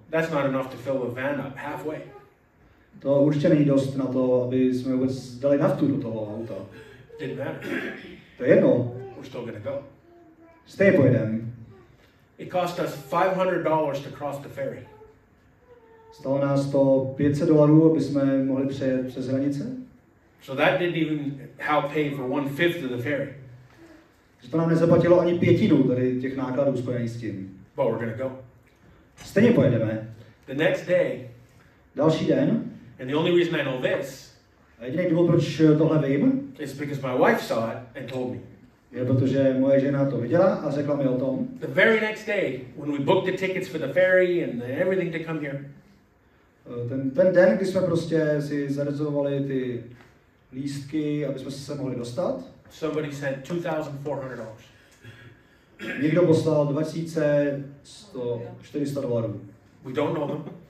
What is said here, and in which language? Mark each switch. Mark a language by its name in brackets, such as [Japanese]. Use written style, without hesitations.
[English] That's not enough to fill a van up halfway. [Czech] To určitě není dost na to, aby jsme vůbec dali naftu do toho auta. [English] Didn't matter. [Czech] To je jedno. [English] We're still gonna go. [Czech] Stay pojedem. [English] It cost us $500 to cross the ferry. [Czech] Stalo nás to $500, aby jsme mohli přejet přes hranice. [English] So that didn't even help pay for 1/5 of the ferry. [Czech] To nám nezaplatilo ani pětinu tady těch nákladů spojených s tím. [English] But we're gonna go. [Czech] Stejně pojedeme. [English] The next day. [Czech] Další den. [English] And the only reason I know this. [Czech] A jediný důvod, proč tohle vím. [English] Is because my wife saw it and told me. [Czech] Je protože moje žena to viděla a řekla mi o tom. [English] The very next day, when we booked the tickets for the ferry and everything to come here. [Czech] Ten den, kdy jsme prostě si zarezervovali ty lístky, aby jsme se mohli dostat. [English] Somebody sent $2,400. [Czech] Někdo poslal $2,400. [English] We don't know them.